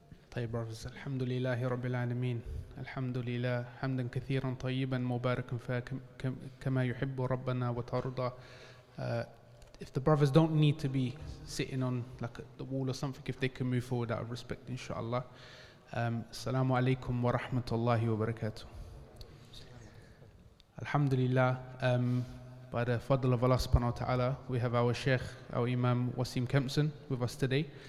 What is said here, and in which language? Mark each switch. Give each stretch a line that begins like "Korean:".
Arabic: طيب برفس الحمد لله رب العالمين الحمد لله حمدا كثيرا طيبا مباركا كما يحب ربنا وترضى.
English: If the brothers don't need to be sitting on like the wall or something, if they can move forward out of respect, inshallah.
Arabic: السلام عليكم ورحمة الله وبركاته. الحمد لله.
English: By the fadl of Allah
Arabic: سبحانه وتعالى,
English: we have our Sheikh, our Imam Wasim Kempson with us today.